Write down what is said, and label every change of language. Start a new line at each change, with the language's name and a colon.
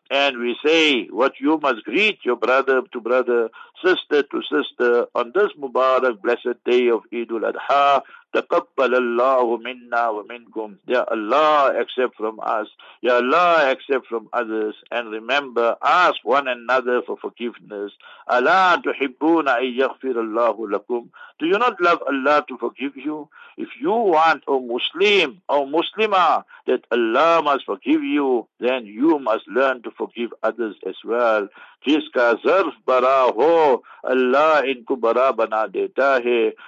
English: And we say what you must greet your brother to brother, sister to sister on this Mubarak blessed day of Eid al-Adha.
Arabic: تقبل الله منا ومنكم.
English: Ya Allah, accept from us. Ya Allah, accept from others. And remember, ask one another for forgiveness.
Arabic: ألا تحبون أن يغفر الله لكم.
English: Do you not love Allah to forgive you? If you want, O Muslim, O Muslimah, that Allah must forgive you, then you must learn to forgive others as well.
Urdu: Jiska zarf bara ho, Allah inko bara bana deta hai.